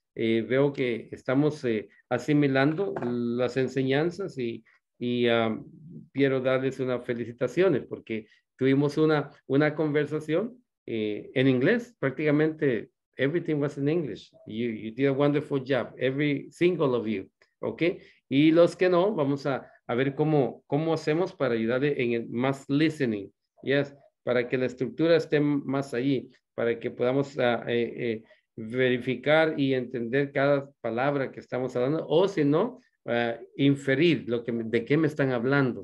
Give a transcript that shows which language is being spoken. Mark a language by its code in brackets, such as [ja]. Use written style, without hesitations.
[es] Veo que estamos asimilando las enseñanzas y quiero darles unas felicitaciones porque tuvimos una conversación en inglés. [en] Prácticamente everything was in English. You did a wonderful job, every single of you. [es] Okay. Y los que no, vamos a ver cómo hacemos para ayudarle en el más listening. Yes, para que la estructura esté más allí, para que podamos verificar y entender cada palabra que estamos hablando, o si no, inferir lo que, de qué me están hablando.